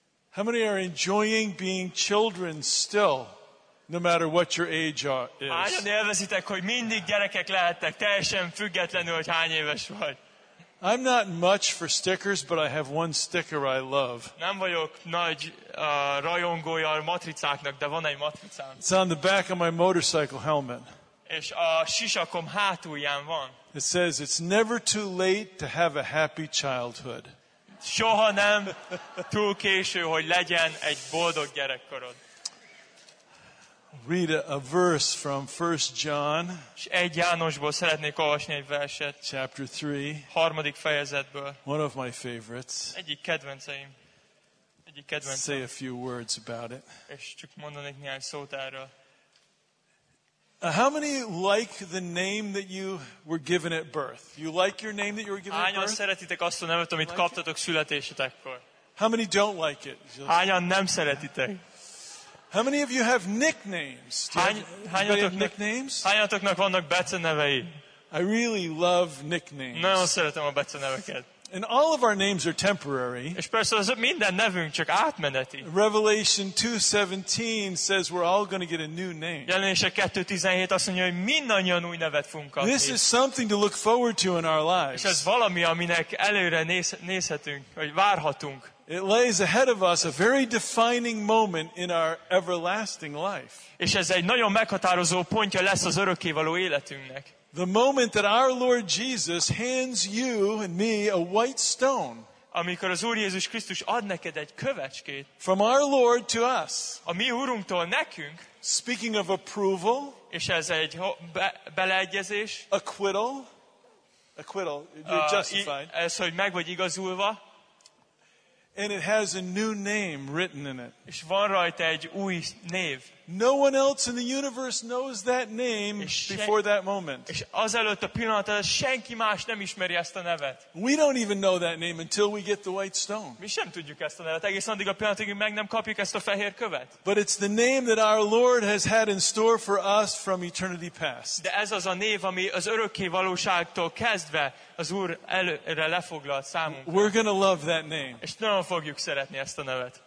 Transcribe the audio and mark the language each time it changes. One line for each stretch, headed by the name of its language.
English: How many are enjoying being children still, no matter what your age is? I'm not much for stickers, but I have one sticker I love.
Hungarian: Nem vagyok nagy rajongója a matricáknak, de van egy matricám.
English: It's on the back of my motorcycle helmet.
Hungarian: És a sisakom hátulján van.
English: It says, it's never too late to have a happy childhood.
Hungarian: Soha nem túl késő, hogy legyen egy boldog gyerekkorod.
English: Read a verse from 1 John.
Hungarian: És egy Jánosból szeretnék olvasni egy verset.
English: Chapter 3.
Hungarian: Harmadik fejezetből.
English: One of my favorites.
Hungarian: Egyik kedvenceim. Egyik kedvencem.
English: Say a few words about it.
Hungarian: És csak mondanék néhány szót erről.
English: How many like the name that you were given at birth? You like your name that you were given at birth?
Hungarian: Hányan szeretitek azt a nevet, amit kaptatok születésetekkor?
English: How many don't like it?
Hungarian: Hányan nem szeretitek?
English: How many of you have nicknames?
Hungarian: Hányatoknak vannak becenevei?
English: I really love nicknames.
Hungarian: Nagyon szeretem a beceneveket.
English: And all of our names are temporary.
Hungarian: És persze az minden nevünk csak átmeneti.
English: Revelation 2:17 says we're all going to get a new name.
Hungarian: Jelenések 2:17 azt mondja, hogy mindannyian új nevet fogunk kapni.
English: This is something to look forward to in our lives.
Hungarian: És ez valami, aminek előre nézhetünk, vagy várhatunk.
English: It lays ahead of us a very defining moment in our everlasting life.
Hungarian: És ez egy nagyon meghatározó pontja lesz az örökkévaló életünknek.
English: The moment that our Lord Jesus hands you and me a white stone.
Hungarian: Amikor az Úr Jézus Krisztus ad neked egy kövecskét.
English: From our Lord to us.
Hungarian: A mi Úrunktól nekünk.
English: Speaking of approval.
Hungarian: És ez egy beleegyezés.
English: Acquittal. You're justified.
Hungarian: Ez, hogy meg vagy igazulva.
English: And it has a new name written in it.
Hungarian: És van rajta egy új név.
English: No one else in the universe knows that name before that moment.
Hungarian: És azelőtt a pillanatban senki más nem ismeri ezt a nevet.
English: We don't even know that name until we get the white stone.
Hungarian: Mi sem tudjuk ezt a nevet, egészen addig a pillanatig meg nem kapjuk ezt a fehér követ.
English: But it's the name that our Lord has had in store for us from eternity past.
Hungarian: De ez az a név, ami az örökké valóságtól kezdve az Úr előre lefoglalt számunkra.
English: We're going to love that name.
Hungarian: És nagyon fogjuk szeretni ezt a nevet.